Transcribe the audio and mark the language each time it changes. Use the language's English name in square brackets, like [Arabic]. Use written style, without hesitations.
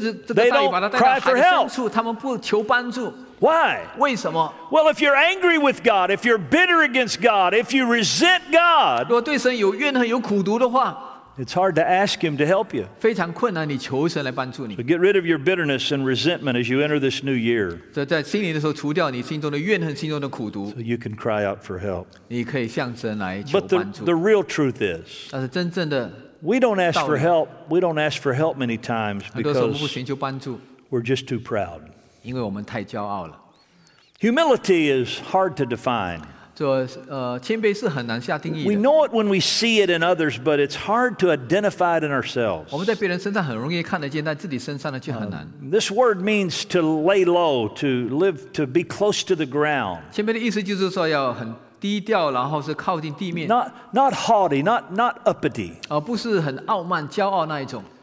[Chinese] 他们遇到困难，他们自己不能够解决，甚至这个大雨把它带到海的深处，他们不求帮助。 [English] Why? [Chinese] 为什么? [English] Well, if you're angry with God, if you're bitter against God, if you resent God, [Chinese] 如果对神有怨恨、有苦毒的话。 [English] It's hard to ask him to help you. [Chinese] 非常困难，你求神来帮助你。 [English] So get rid of your bitterness and resentment as you enter this new year. [Chinese] 在新年的时候，除掉你心中的怨恨、心中的苦毒。 [English] So you can cry out for help. [Chinese] 你可以向神来求帮助。 [English] But the real truth is, [Chinese] 但是真正的， [English] we don't ask for help. We don't ask for help many times because we're just too proud. [Chinese] 因为我们太骄傲了。 [English] Humility is hard to define. [Chinese] 谦卑是很难下定义的。 [English] We know it when we see it in others, but it's hard to identify it in ourselves. [Chinese] 我们在别人身上很容易看得见，但自己身上呢却很难。 [English] This word means to lay low, to live, to be close to the ground. [Chinese] 谦卑的意思就是说要很低调，然后是靠近地面。 [English] Not haughty, not uppity. [Chinese] 不是很傲慢、骄傲那一种。